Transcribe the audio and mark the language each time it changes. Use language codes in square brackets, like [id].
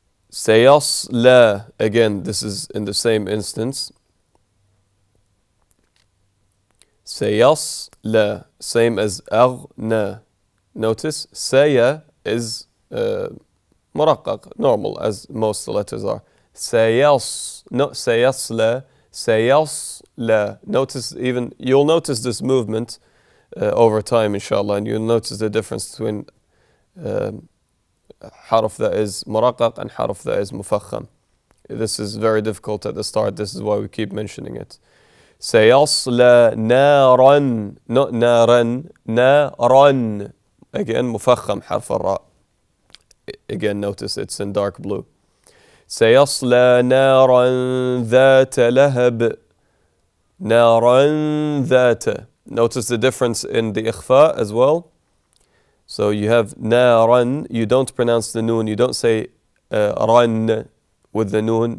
[ar] سَيَصْلَى. [en] Again, this is in the same instance. [ar] سَيَصْلَى. [en] Same as أَغْنَى. Notice, سَيَ is مُرَقَّق, normal, as most letters are. [ar] سَيَصْ, [en] not [ar] سَيَصْلَى. سَيَصْلَى. [en] Notice, even you'll notice this movement over time, inshallah, and you'll notice the difference between حرف that is مرقق and حرف that is مفخم. This is very difficult at the start. This is why we keep mentioning it. [ar] سَيَصْلَى نَارًا, [en] not [ar] نَارًا, نَارًا. [en] Again, [ar] مفخم حرف الراء. [en] Again, notice it's in dark blue. [ar] سيصلى نارا ذات لهب. نارا ذات. [en] Notice the difference in the إخفاء as well. So you have نارا, you don't pronounce the نون, you don't say رن with the نون.